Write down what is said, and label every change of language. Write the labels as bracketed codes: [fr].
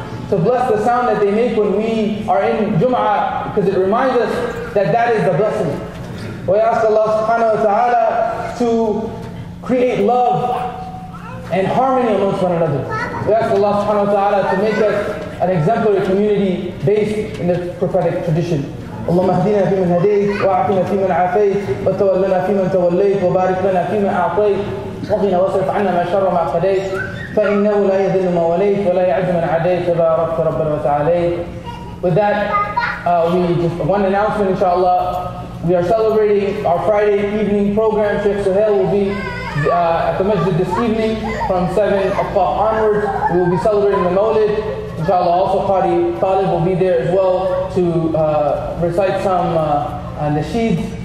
[en] to bless the sound that they make when we are in Jum'ah, because it reminds us that that is the blessing. We ask Allah subhanahu wa ta'ala to create love and harmony amongst one another. We ask Allah subhanahu wa ta'ala to make us an exemplary community based in the prophetic tradition. [ar] اللهم اهدنا فيمن هديت واعفنا فيمن عافيت وتولنا فيمن توليت وبارك لنا فيمن اعطيت وقنا واصرف عنا ما شر ما قضيت فانه لا يذل ما وليت ولا يعز من عاديت تبارك ربنا وتعاليت. [en] With that, we just one announcement, inshallah. We are celebrating our Friday evening program. Sheikh Suhail will be at the masjid this evening from 7 o'clock onwards. We will be celebrating the Mawlid. Inshallah, also Qari Talib will be there as well to recite some nasheeds.